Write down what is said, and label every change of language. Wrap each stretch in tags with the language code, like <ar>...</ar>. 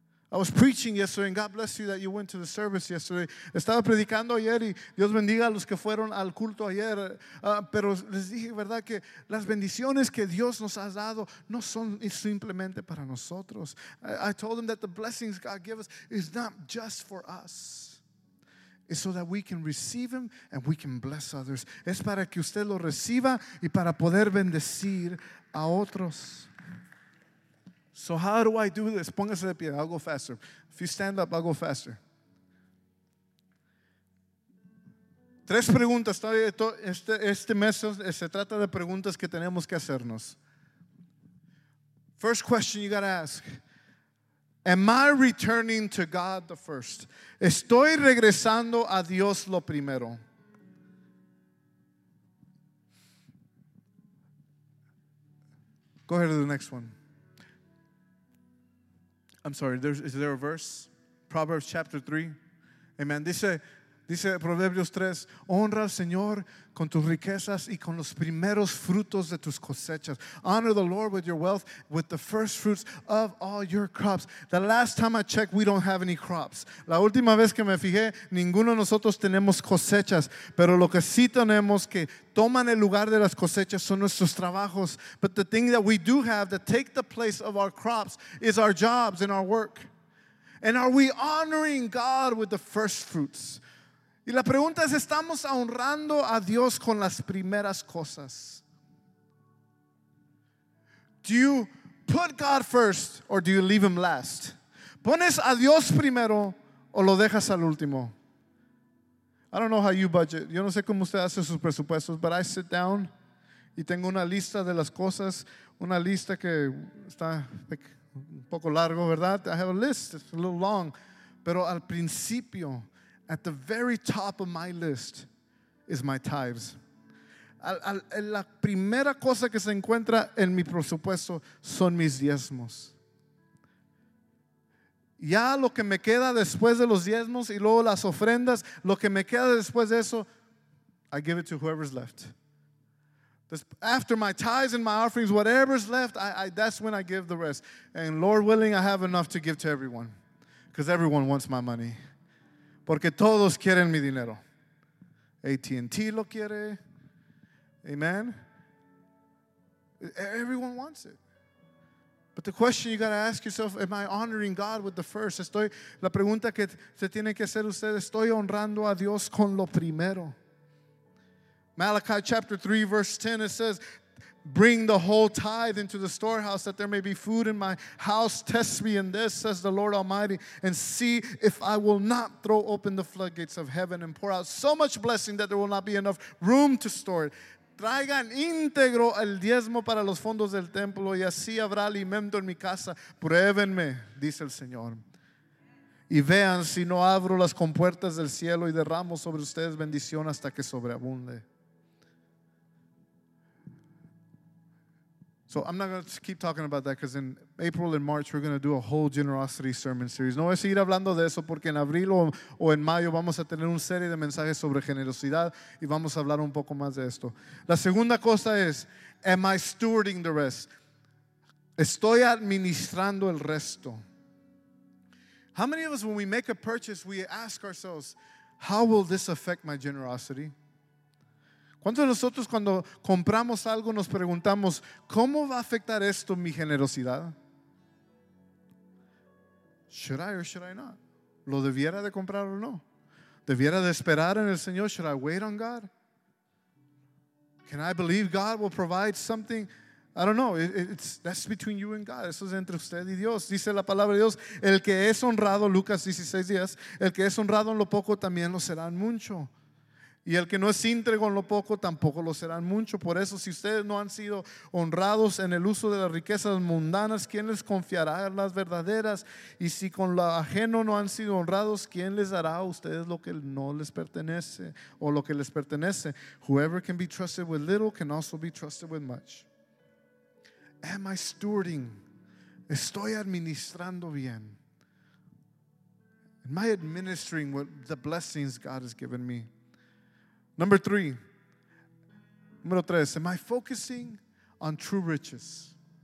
<en>I was preaching yesterday, and God bless you that you went to the service yesterday.</en> <es>Estaba predicando ayer y Dios bendiga a los que fueron al culto ayer. Pero les dije, verdad, que las bendiciones que Dios nos ha dado no son simplemente para nosotros.</es> <en>I told them that the blessings God gives us is not just for us. It's so that we can receive them and we can bless others.</en> <es>Es para que usted lo reciba y para poder bendecir a otros.</es> <en>So how do I do this?</en> <es>Póngase de pie.</es> <en>I'll go faster. If you stand up, I'll go faster.</en> <es>Tres preguntas. Este mes se trata de preguntas que tenemos que hacernos.</es> <en>First question you got to ask. Am I returning to God the first?</en> <es>¿Estoy regresando a Dios lo primero?</es> <en>Go ahead to the next one. I'm sorry, is there a verse? Proverbs chapter 3. Amen.</en> <es>Dice Proverbios 3, honra al Señor con tus riquezas y con los primeros frutos de tus cosechas.</es> <en>Honor the Lord with your wealth, with the first fruits of all your crops. The last time I checked, we don't have any crops.</en> <es>La última vez que me fijé, ninguno de nosotros tenemos cosechas, pero lo que sí tenemos que toman el lugar de las cosechas son nuestros trabajos.</es> <en>But the thing that we do have that take the place of our crops is our jobs and our work. And are we honoring God with the first fruits?</en> <es>Y la pregunta es, ¿estamos honrando a Dios con las primeras cosas?</es> <en>Do you put God first or do you leave him last?</en> <es>¿Pones a Dios primero o lo dejas al último?</es> <en>I don't know how you budget.</en> <es>Yo no sé cómo usted hace sus presupuestos,</es> <en>but I sit down</en> <es>y tengo una lista de las cosas, una lista que está un poco largo, ¿verdad?</es> <en>I have a list. It's a little long.</en> <es>Pero al principio,</es> <en>at the very top of my list, is my tithes.</en> <es>La primera cosa que se encuentra en mi presupuesto son mis diezmos. Ya lo que me queda después de los diezmos y luego las ofrendas, lo que me queda después de eso,</es> <en>I give it to whoever's left. After my tithes and my offerings, whatever's left, I that's when I give the rest. And Lord willing, I have enough to give to everyone. Because everyone wants my money.</en> <es>Porque todos quieren mi dinero.</es> <en>AT&T</en> <es>lo quiere.</es> <en>Amen. Everyone wants it. But the question you got to ask yourself, am I honoring God with the first?</en> <es>Estoy, la pregunta que se tiene que hacer usted, estoy honrando a Dios con lo primero.</es> <en>Malachi chapter 3 verse 10, it says, bring the whole tithe into the storehouse that there may be food in my house. Test me in this, says the Lord Almighty, and see if I will not throw open the floodgates of heaven and pour out so much blessing that there will not be enough room to store it.</en> <es>Traigan íntegro el diezmo para los fondos del templo y así habrá alimento en mi casa. Pruébenme, dice el Señor. Y vean si no abro las compuertas del cielo y derramo sobre ustedes bendición hasta que sobreabunde.</es> <en>So I'm not going to keep talking about that because in April and March we're going to do a whole generosity sermon series.</en> <es>No voy a seguir hablando de eso porque en abril o en mayo vamos a tener una serie de mensajes sobre generosidad y vamos a hablar un poco más de esto. La segunda cosa es,</es> <en>am I stewarding the rest?</en> <es>Estoy administrando el resto.</es> <en>How many of us, when we make a purchase, we ask ourselves, how will this affect my generosity?</en> <es>¿Cuántos de nosotros cuando compramos algo nos preguntamos, ¿cómo va a afectar esto mi generosidad?</es> <en>Should I or should I not?</en> <es>¿Lo debiera de comprar o no? ¿Debiera de esperar en el Señor?</es> <en>Should I wait on God? Can I believe God will provide something? I don't know. That's between you and God.</en> <es>Eso es entre usted y Dios. Dice la palabra de Dios, el que es honrado, Lucas 16 días, el que es honrado en lo poco también lo será en mucho. Y el que no es íntegro en lo poco, tampoco lo serán mucho. Por eso, si ustedes no han sido honrados en el uso de las riquezas mundanas, ¿quién les confiará las verdaderas? Y si con lo ajeno no han sido honrados, ¿quién les dará a ustedes lo que no les pertenece o lo que les pertenece?</es> <en>Whoever can be trusted with little can also be trusted with much. Am I stewarding?</en> <es>¿Estoy administrando bien?</es> <en>Am I administering with the blessings God has given me?</en> <es>Número tres,</es> <en>am I focusing on true riches?</en>